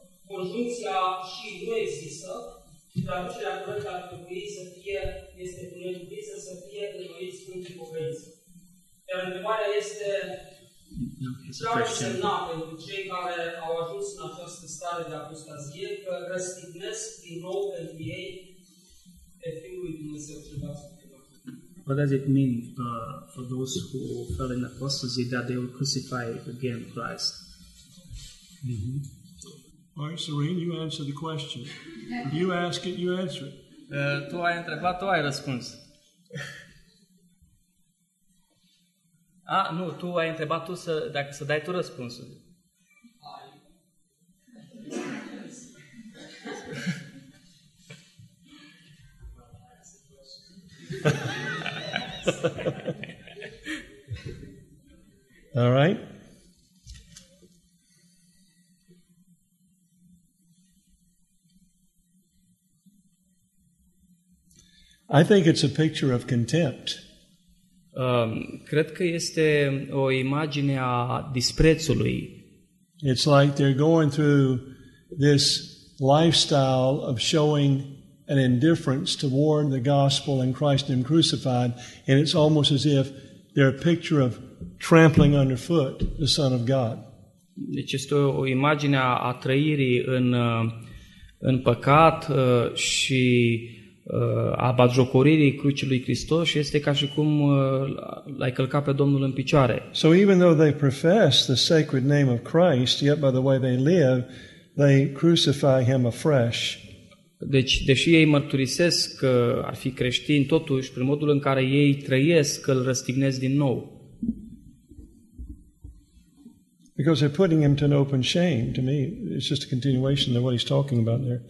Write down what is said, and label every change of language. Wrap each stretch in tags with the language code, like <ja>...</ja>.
<ro>Conjuncția și nu există. Traducerea corectă ar trebui să fie, este cu neputință să fie înnoiți într-o pocăință. Iar întrebarea este, ce ar însemna pentru cei care au ajuns în această stare de apostazie că răstignesc din nou pentru ei pe Fiul lui Dumnezeu cel Vreascu?</ro> <en>What does it mean for those who fell in apostasy that they will crucify again Christ? Mm-hmm. All right, Serene, you answer the question. You ask it, you answer it.</en> <ro>Tu ai întrebat, tu ai răspuns. Ah, nu, tu ai întrebat tu să, dacă să dai tu răspunsul.</ro> <en>All right. I think it's a picture of contempt.</en> <ro>Cred că este o imagine a disprețului.</ro> <en>It's like they're going through this lifestyle of showing an indifference toward the gospel and Christ and crucified, and it's almost as if they're a picture of trampling underfoot the Son of God.</en> <ro>Deci este o imagine a trăirii în păcat și a batjocoririi crucii lui Hristos și este ca și cum l-ai călcat pe Domnul în picioare.</ro> <en>So even though they profess the sacred name of Christ, yet by the way they live, they crucify him afresh.</en> <ro>Deci, deși ei mărturisesc că ar fi creștini, totuși, prin modul în care ei trăiesc, îl răstignesc din nou.</ro> <en>Because they're putting him to an open shame. To me, it's just a continuation of what he's talking about there.</en>